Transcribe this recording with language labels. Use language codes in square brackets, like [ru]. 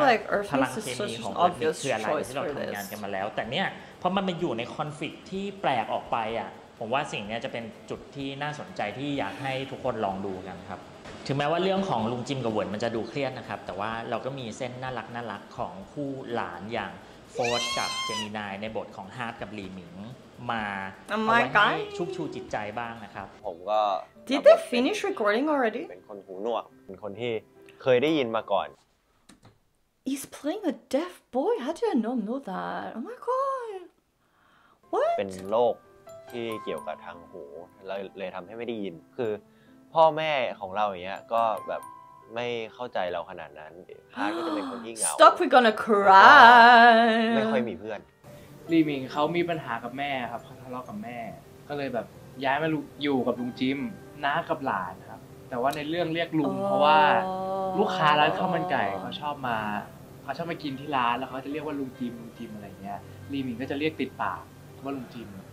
[th] าพลังเคมีของมิกคืออะไรที่เราทำงานกันมาแล้วแต่เนี่ยพอมันมาอยู่ในคอนฟลิกต์ที่แปลกออกไปอ่ะผมว่าสิ่งเนี้ยจะเป็นจุดที่น่าสนใจที่อยากให้ทุกคนลองดูกันครับถึงแม้ว่าเรื่องของลุงจิมกับเหวินมันจะดูเครียดนะครับแต่ว่าเราก็มีเส้นน่ารักน่ารักของคู่หลานอย่างโฟร์ดกับเจมินายในบทของฮาร์ดกับหลีหมิงมา เอาไว้ให้ชุบชูจิตใจบ้างนะครับ ผมก็ [en] Did they finish recording already [th] เป็นคนหูหนวกเป็นคนที่เคยได้ยินมาก่อน [en] He's playing a deaf boy How did I not know that Oh my god What [th] เป็นโรคที่เกี่ยวกับทางหูแล้วเลยทำให้ไม่ได้ยินคือพ่อแม่ของเราอย่างเงี้ยก็แบบไม่เข้าใจเราขนาดนั้นฮาร์ดก็จะเป็นคนที่เหงา [en] Stop we're gonna cry [th] ไม่ค่อยมีเพื่อน ลีหมิงเขามีปัญหากับแม่ครับเขาทะเลาะกับแม่ก็เลยแบบย้ายมาอยู่กับลุงจิมน้ากับหลานครับแต่ว่าในเรื่องเรียกลุงเพราะว่าลูกค้าร้านข้าวมันไก่เขาชอบมากินที่ร้านแล้วเขาจะเรียกว่าลุงจิมอะไรเงี้ยลีหมิงก็จะเรียกติดปากว่าลุงจิม